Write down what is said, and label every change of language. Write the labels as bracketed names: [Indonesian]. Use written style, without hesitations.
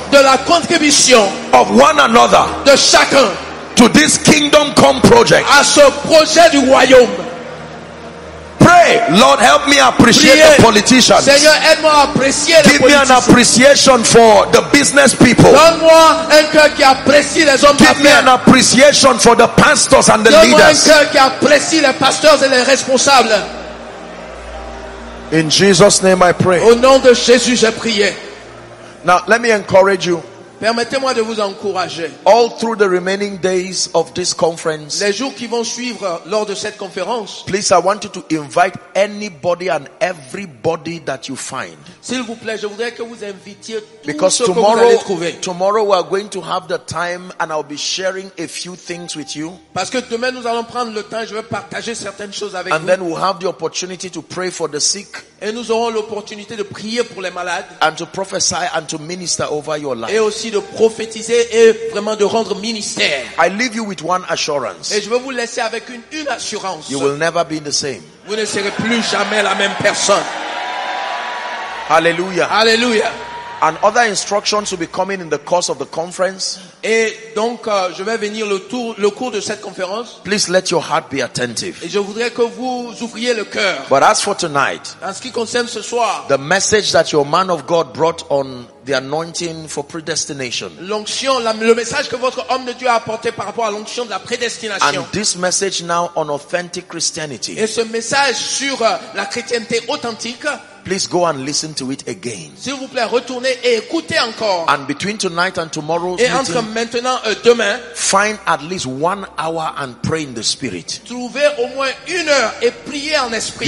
[French] de la contribution [English] of one another, [French] de chacun [English] to this kingdom come project. [French] À ce projet du royaume. [English] Pray, Lord, help me appreciate the politicians. [French] Seigneur, aide-moi à apprécier les [English] Give me an appreciation for the business people. [French] Donne-moi un cœur qui apprécie les hommes [English] Give me an appreciation for the pastors and the [French] Donne-moi [English] leaders. [French] Un cœur qui apprécie les pasteurs et les responsables. [English] In Jesus' name I pray. [French] Au nom de Jésus, j'ai prié. [English] Now, let me encourage you. [French] Permettez-moi de vous encourager. [English] All through the remaining days of this conference, [French] les jours qui vont suivre lors de cette conférence, [English] please, I want you to invite anybody and everybody that you find. [French] S'il vous plaît, je voudrais que vous invitiez tout [English] Because [French] ce [English] tomorrow, [French] que vous allez trouver. [English] Tomorrow we are going to have the time and I'll be sharing a few things with you. [French] Parce que demain nous allons prendre le temps, je vais partager certaines choses avec [English] and [French] vous. [English] And then we'll have the opportunity to pray for the sick. [French] Et nous aurons l'opportunité de prier pour les malades. [English] And to prophesy and to minister over your life. [French] Et aussi de prophétiser et vraiment de rendre ministère. [English] I leave you with one assurance. [French] Et je veux vous laisser avec une assurance. [English] You will never be the same. [French] Vous ne serez plus jamais la même personne. [English] Hallelujah. [French] Hallelujah. [English] And other instructions will be coming in the course of the conference. [French] Et donc je vais venir le cours de cette conférence. [English] Please let your heart be attentive. [French] Et je voudrais que vous ouvriez le cœur. [English] But as for tonight, [French] en ce qui concerne ce soir, [English] the message that your man of God brought on the anointing for predestination. [French] L'onction, le message que votre homme de Dieu a apporté par rapport à l'onction de la prédestination. [English] And this message now on authentic Christianity. [French] Et ce message sur la chrétienté authentique. [English] Please go and listen to it again. [French] S'il vous plaît, retournez et écoutez encore. [English] And between tonight and tomorrow's [French] et entre [English] meeting, [French] maintenant et demain, [English] find at least 1 hour and pray in the spirit. [French] Trouvez au moins une heure et priez en esprit.